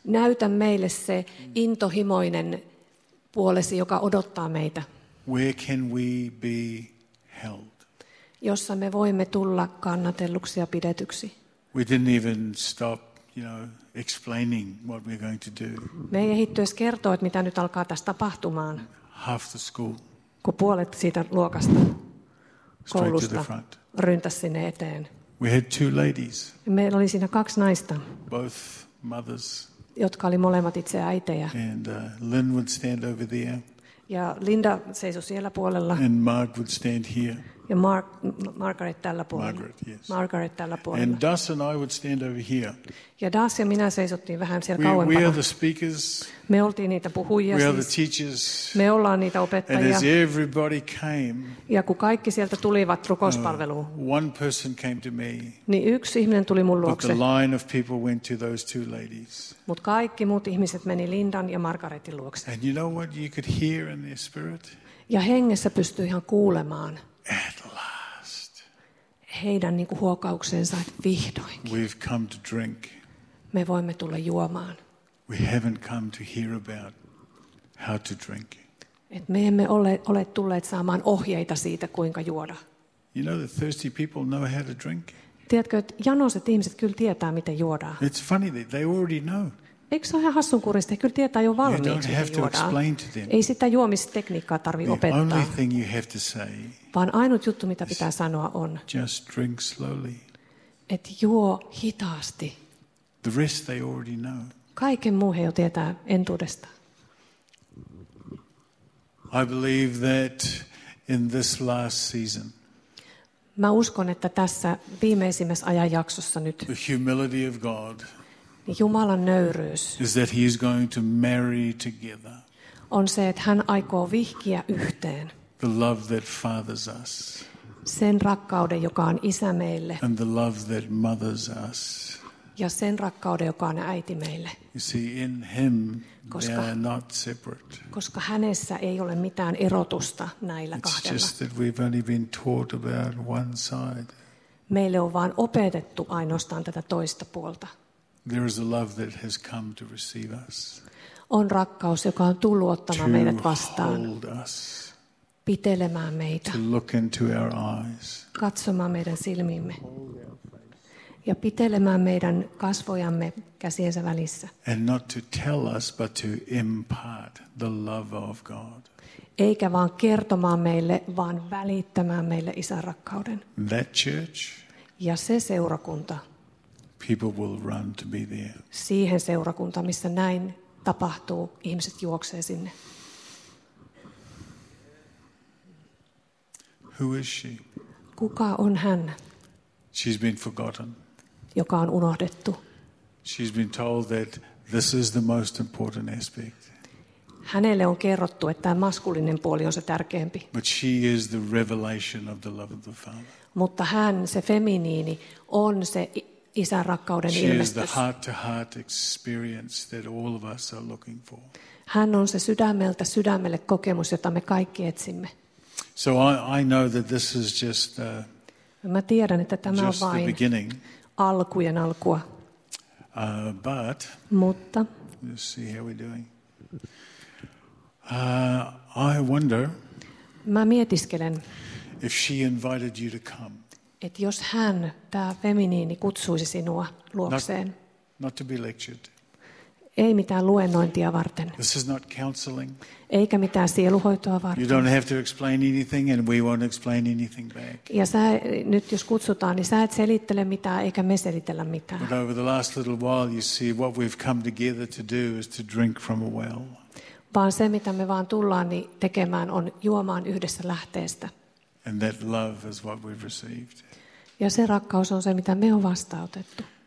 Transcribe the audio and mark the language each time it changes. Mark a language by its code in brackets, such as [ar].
[fi] Näytä meille se intohimoinen puolesi, joka odottaa meitä. [en] Where can we be held? [fi] Jossa me voimme tulla kannatelluksi ja pidetyksi. [en] We didn't even stop, you know, explaining what we're going to do. [fi] Me ei ehditty edes kertoa, että mitä nyt alkaa tässä tapahtumaan. [en] Half the school. [fi] Kun puolet siitä luokasta, koulusta, ryntäs sinne eteen. [en] We had two ladies, [fi] meillä oli siinä kaksi naista, [en] both mothers, [fi] jotka oli molemmat itse äitejä. [en] And, Lynn would stand over there, [fi] ja Linda seisoi siellä puolella. [en] And Mark would stand here, [fi] Ja Margaret tällä puolella. Margaret tällä puolella. [en] And Das and I would stand over here. [fi] Ja Das ja minä seisottiin vähän siellä kauempana. [en] We are the speakers. [fi] Me oltiin niitä puhujia. [en] We are the teachers. [fi] Me ollaan niitä opettajia. [en] And as everybody came. [fi] Ja kun kaikki sieltä tulivat rukouspalveluun. [en] One person came to me. [fi] Niin yksi ihminen tuli mun luokse. [en] But the line of people went to those two ladies. [fi] Mut kaikki muut ihmiset meni Lindan ja Margaretin luokse. [en] And you know what you could hear in their spirit? [fi] Ja hengessä pystyi ihan kuulemaan. [en] At last. [fi] Heidän niinku huokauksensa, että vihdoinkin. [en] We've come to drink. [fi] Me voimme tulla juomaan. [en] We haven't come to hear about how to drink. [fi] Et me emme ole tulleet saamaan ohjeita siitä, kuinka juoda. [en] You know that thirsty people know how to drink. [fi] Tiedätkö, että janoiset ihmiset kyllä tietää, miten juodaan. [en] It's funny that they already know. [fi] Eikö se ole ihan hassunkurista? Kyllä tietää jo valmiiksi, että juodaan. Ei sitä juomistekniikkaa tarvitse opettaa. [en] Only thing you have to say, [fi] vaan ainut juttu, mitä pitää sanoa, on, [en] just drink slowly. [fi] Et juo hitaasti. [en] The rest they already know. [fi] Kaiken muu he jo tietää entuudesta. [en] I believe that in this last season, [fi] mä uskon, että tässä viimeisimmässä ajanjaksossa nyt [en] the humility of God, [fi] Jumalan nöyryys [en] is that he is going to marry together, [fi] on se, että hän aikoo vihkiä yhteen [en] the love that fathers us, [fi] sen rakkauden, joka on isä meille, [en] and the love that mothers us, [fi] ja sen rakkauden, joka on äiti meille. [en] You see, in him they are not separate. [fi] Koska hänessä ei ole mitään erotusta näillä [en] it's [fi] kahdella. [en] Just that we've only been taught about one side. [fi] Meille on vaan opetettu ainoastaan tätä toista puolta. [en] There is a love that has come to receive us. [fi] On rakkaus, joka on tullut ottamaan [en] to [fi] meidät vastaan. [en] Hold us. [fi] Pitelemään meitä. [en] To look into our eyes. [fi] Katsomaan meidän silmiimme. Ja pitelemään meidän kasvojamme käsiensä välissä. [en] And not to tell us, but to impart the love of God. [fi] Eikä vaan kertomaan meille, vaan välittämään meille isän rakkauden. [en] That church. [fi] Ja se seurakunta. [en] People will run to be there. [fi] Siihen seurakunta, missä näin tapahtuu, ihmiset juoksee sinne. [en] Who is she? [fi] Kuka on hän? [en] She's been forgotten. [fi] Joka on unohdettu. [en] She's been told that this is the most important aspect. [fi] Hänelle on kerrottu, että tämä maskuliininen puoli on se tärkeämpi. [en] But she is the revelation of the love of the Father. [fi] Mutta hän, se feminiini, on se isän rakkauden [en] she [fi] ilmestys. [en] She is the heart-to-heart experience that all of us are looking for. [fi] Hän on se sydämeltä sydämelle kokemus, jota me kaikki etsimme. [en] So I know that this is just. [fi] Mä tiedän, että tämä on vain [en] the beginning. [fi] Alkujen alkua. [en] But [fi] mutta [en] let's see how we're doing. I wonder. [fi] Mä mietiskelen. [en] If she invited you to come. [fi] Et jos hän tämä feminiini kutsuisi sinua luokseen. [en] Not to be lectured. [fi] Ei mitään luennointia varten. [en] This is not counseling. [fi] Eikä mitään sieluhoitoa varten. [en] You don't have to explain anything and we won't explain anything back. [fi] Ja sä, nyt jos kutsutaan, niin sä et selittele mitään eikä me selitellä mitään. [en] But over the last little while you see what we've come together to do is to drink from a well. [fi] Vaan se mitä me vaan tullaan niin tekemään on juomaan yhdessä lähteestä. [en] And that love is what we've received. [fi] Ja se rakkaus on se mitä me on vastaanotettu.